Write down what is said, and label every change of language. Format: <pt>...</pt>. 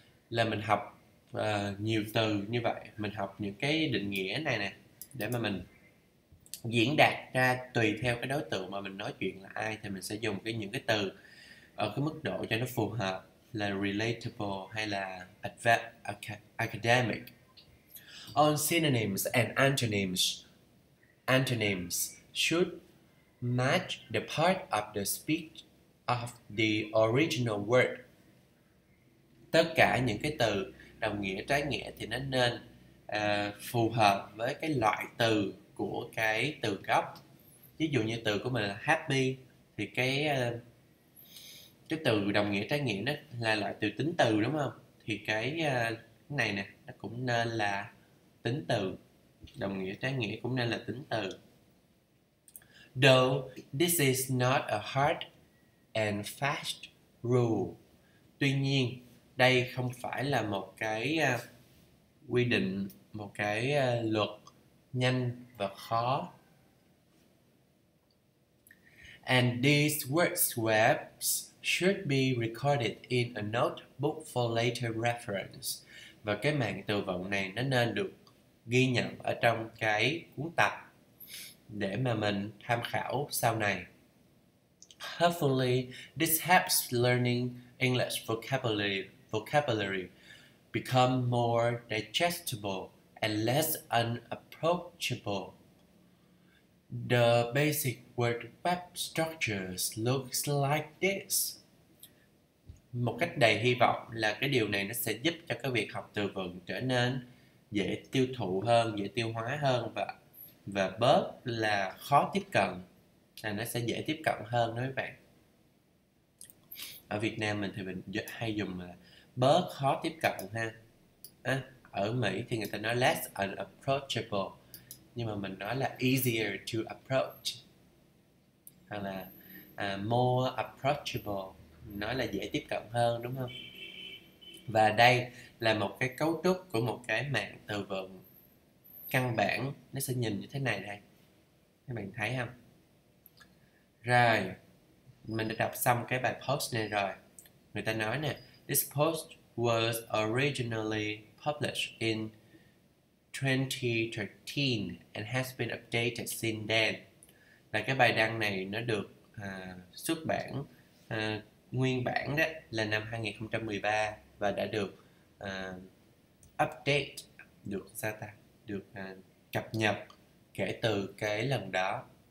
<vi>Là mình học nhiều từ như vậy, mình học những cái định nghĩa này nè, để mà mình diễn đạt ra tùy theo cái đối tượng mà mình nói chuyện là ai, thì mình sẽ dùng những cái từ ở cái mức độ cho nó phù hợp, là relatable hay là academic.</vi> <en>All synonyms and antonyms should match the part of the speech of the original word.</en> <vi>Tất cả những cái từ đồng nghĩa, trái nghĩa thì nó nên phù hợp với cái loại từ của cái từ gốc. Ví dụ như từ của mình là happy, thì cái từ đồng nghĩa, trái nghĩa đó là loại từ tính từ đúng không? Thì cái này nè, nó cũng nên là tính từ. Đồng nghĩa, trái nghĩa cũng nên là tính từ.</vi> <en>Though this is not a hard and fast rule.</en> <vi>Tuy nhiên, đây không phải là một cái quy định, một cái luật nhanh và khó.</vi> <en>And these words webs should be recorded in a notebook for later reference.</en> <vi>Và cái mạng từ vựng này nó nên được ghi nhận ở trong cái cuốn tập để mà mình tham khảo sau này.</vi> <en>Hopefully, this helps learning English vocabulary become more digestible and less unapproachable. The basic word web structures looks like this.</en> <vi>Một cách đầy hy vọng là cái điều này nó sẽ giúp cho cái việc học từ vựng trở nên dễ tiêu thụ hơn, dễ tiêu hóa hơn và bớt là khó tiếp cận, là nó sẽ dễ tiếp cận hơn đối với bạn. Ở Việt Nam mình thì mình hay dùng là bớt khó tiếp cận ha. Ở Mỹ thì người ta nói</vi> <en>less unapproachable,</en> <vi>nhưng mà mình nói là</vi> <en>easier to approach,</en> <vi>hoặc là</vi> <en>more approachable,</en> <vi>nói là dễ tiếp cận hơn đúng không? Và đây là một cái cấu trúc của một cái mạng từ vựng căn bản, nó sẽ nhìn như thế này đây. Các bạn thấy không? Rồi, mình đã đọc xong cái bài post này rồi. Người ta nói nè,</vi> <en>this post was originally published in 2013 and has been updated since then.</en> <vi>Là cái bài đăng này nó được xuất bản nguyên bản đó là năm 2013 và đã được update, được sao ta, được cập nhật kể từ cái lần đó.</vi>